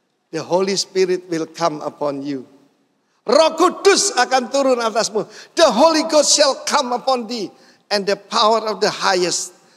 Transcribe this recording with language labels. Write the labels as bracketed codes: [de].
[en] The Holy Spirit will come upon you. [id] Roh Kudus akan turun atasmu. [en] The Holy Ghost shall come upon thee. And the power of the highest.